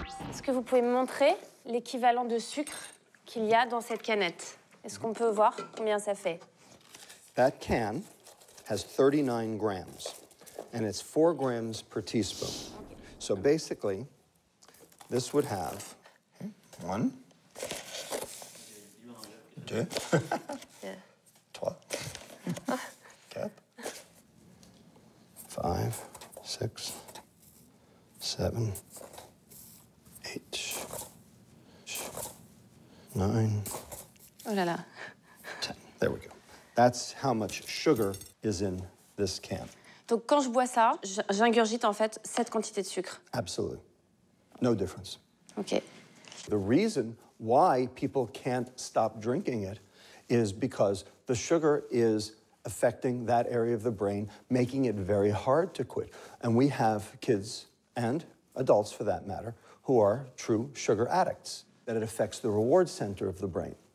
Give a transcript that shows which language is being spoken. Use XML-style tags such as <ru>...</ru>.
<fr>Est-ce que vous pouvez me montrer l'équivalent de sucre qu'il y a dans cette canette? Est-ce qu'on peut voir combien ça fait?</fr> <en>That can has 39 grams, and it's 4 grams per teaspoon. So basically, this would have one, two,</en> <fr>trois, quatre,</fr> <en>five, six, seven, eight, nine.</en> <fr>Oh là là.</fr> <en>Ten. There we go. That's how much sugar is in this can.</en> <fr>Donc quand je bois ça, j'ingurgite en fait cette quantité de sucre.</fr> <en>Absolutely. No difference. Okay. The reason why people can't stop drinking it is because the sugar is affecting that area of the brain, making it very hard to quit. And we have kids and adults for that matter who are true sugar addicts, that it affects the reward center of the brain.</en>